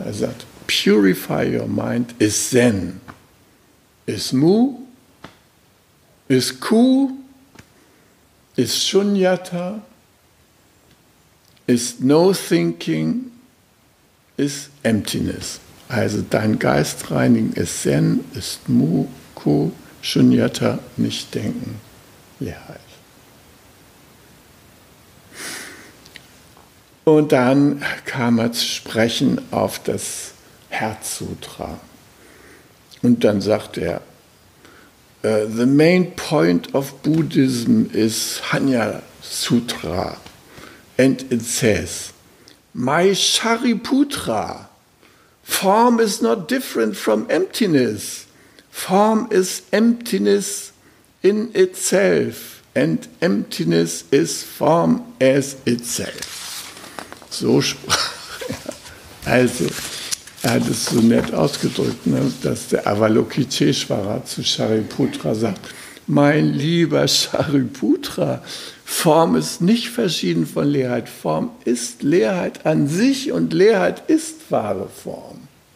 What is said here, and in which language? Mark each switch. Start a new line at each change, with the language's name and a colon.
German: Er sagt,
English: purify your mind is Zen, is Mu, is Ku, is Shunyata, is no thinking, is emptiness.
German: Also dein Geist reinigen ist Zen, ist Mu, Ku, Shunyata, nicht denken, Leerheit. Und dann kam er zu sprechen auf das Herzsutra. Und dann sagt er,
English: the main point of Buddhism is Hanya Sutra. And it says, my Shariputra, form is not different from emptiness. Form is emptiness in itself. And emptiness is form as itself.
German: So sprach er. Also, er hat es so nett ausgedrückt, ne, dass der Avalokiteshvara zu Shariputra sagt, mein lieber Shariputra, Form ist nicht verschieden von Leerheit. Form ist Leerheit an sich und Leerheit ist wahre Form.